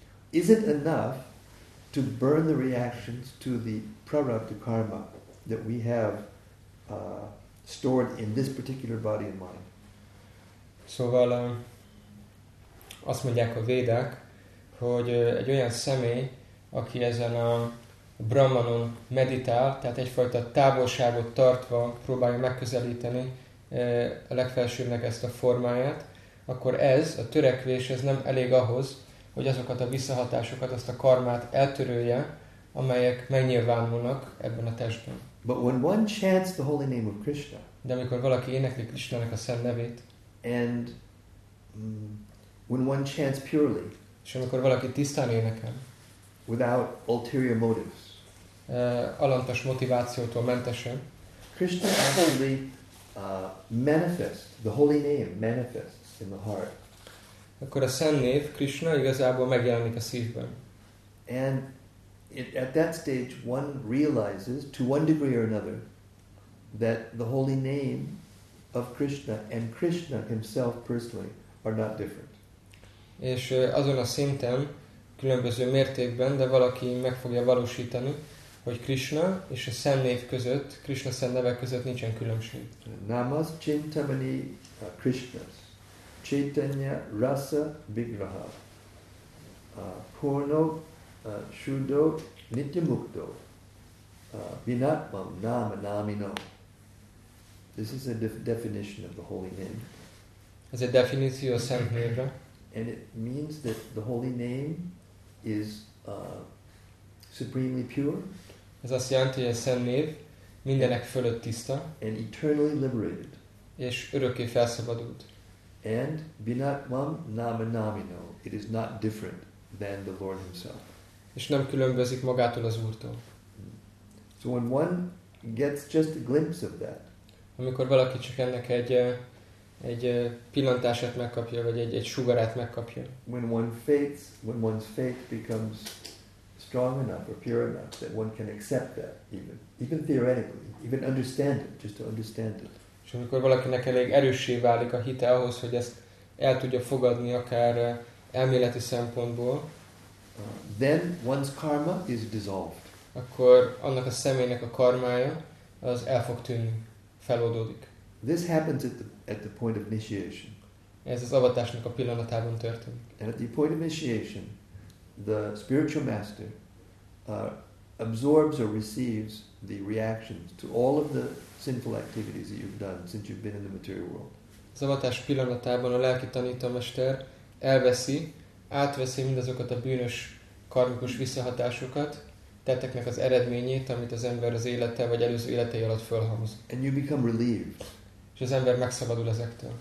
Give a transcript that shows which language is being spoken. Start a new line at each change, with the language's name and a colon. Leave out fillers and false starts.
English: is it enough to burn the reactions to the prarabdha karma that we have stored in this particular body and mind?
Hungarian: Szóval azt mondják a védák, hogy egy olyan személy, aki ezen a brahmanon meditál, tehát egyfajta távolságot tartva próbálja megközelíteni a legfelsőbbnek ezt a formáját, akkor ez, a törekvés, ez nem elég ahhoz, hogy azokat a visszahatásokat, azt a karmát eltörölje, amelyek megnyilvánulnak ebben a testben.
English: But when one chants the holy name of Krishna,
Hungarian: de amikor valaki énekli Krisztának a szent nevét,
English: and when one chants purely,
Hungarian: és amikor valaki tisztán énekel,
English: without ulterior motives,
Hungarian: alantas motivációtól mentesen,
English: Krishna actually manifests, the holy name manifests in the heart.
Hungarian: Akkor a szent név, Krishna, igazából megjelenik a szívben.
English: And at that stage one realizes, to one degree or another, that the holy name of Krishna and Krishna himself personally are not different.
Hungarian: És azon a szinten, különböző mértékben, de valaki meg fogja valósítani, hogy Krishna és a szent név között, Krishna szent neve között nincsen különbség.
Sanskrit: Namas Chintamani Krishna, Chaitanya Rasa Vigraha, Purno Shuddho Nityamukto, Vinatmam Nama Namino.
English: This is a definition of the holy name.
Hungarian: Ez egy definíció a szent névre.
English: And it means that the holy name is supremely pure.
Hungarian: Ez azt jelenti, hogy a szent név mindenek fölött tiszta.
English: And eternally liberated.
Hungarian: És örökké felszabadult.
Sanskrit: And vinatmam nama namino.
English: It is not different than the Lord himself.
Hungarian: És nem különbözik magától az Úrtól.
English: So when one gets just a glimpse of that,
Hungarian: amikor valaki csak ennek egy pillantását megkapja, vagy egy sugarát megkapja.
English: When one faiths, when one's faith becomes strong enough or pure enough that one can accept that, even theoretically, even understand it, just to understand it.
Hungarian: És amikor valakinek elég erőssé válik a hite ahhoz, hogy ezt el tudja fogadni akár elméleti szempontból,
English: then one's karma is dissolved.
Hungarian: Akkor annak a személynek a karmája az el fog tűnni, feloldódik.
English: This happens at the point of initiation.
Hungarian: Ez az avatásnak a pillanatában történik.
English: And at the point of initiation, the spiritual master absorbs or receives the reactions to all of the sinful activities that you've done since you've been in the material world.
Hungarian: Az avatás pillanatában a lelki tanítómester elveszi, átveszi mindazokat a bűnös karmikus visszahatásokat, tetteknek az eredményét, amit az ember az élete vagy előző életei alatt fölhalmoz.
English: And you become relieved.
Hungarian: És az ember megszabadul ezektől.